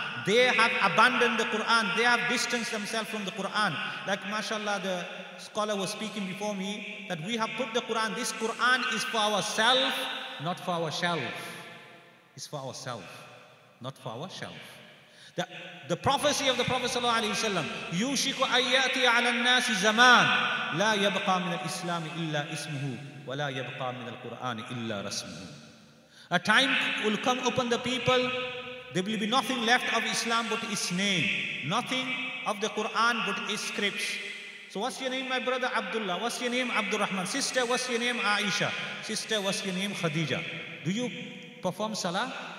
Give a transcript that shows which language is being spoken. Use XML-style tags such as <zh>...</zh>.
<en>They have abandoned the Quran. They have distanced themselves from the Quran. Like mashallah, the scholar was speaking before me, that we have put the Qur'an, this Qur'an is for ourselves, not for our shelf. It's for ourselves, not for our shelf. The prophecy of the Prophet sallallahu alaihi wasallam,</en> <ar>يُوشِكُ أَيَّأْتِيَ عَلَى النَّاسِ زَمَانِ لَا يَبْقَى مِنَ الْإِسْلَامِ إِلَّا إِسْمُهُ وَلَا يَبْقَى مِنَ الْقُرْآنِ إِلَّا رَسْمُهُ.</ar> <en>A time will come upon the people, there will be nothing left of Islam but its name, nothing of the Qur'an but its scripts. So what's your name, my brother Abdullah? What's your name, Abdul Rahman? Sister, what's your name, Aisha? Sister, what's your name, Khadija? Do you perform salah?</en>